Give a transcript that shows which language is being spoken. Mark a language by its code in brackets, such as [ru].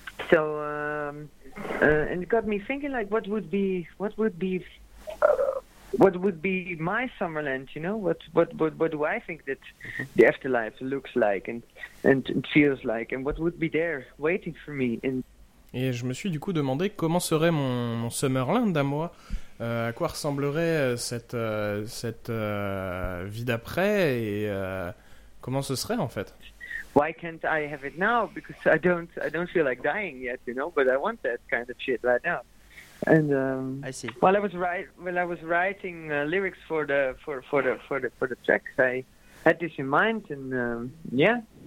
[en] So, and it got me thinking, like, what would be my Summerland, you know? What do I think that the afterlife looks like and feels like, and what would be there waiting for me? [fr] Et je me suis du coup demandé comment serait mon Summerland à moi, à quoi ressemblerait cette vie d'après, et comment ce serait en fait? [en] Why can't I have it now? Because I don't feel like dying yet, you know? But I want that kind of shit right now. And I see. While I was writing lyrics for the tracks, I had this in mind, and yeah.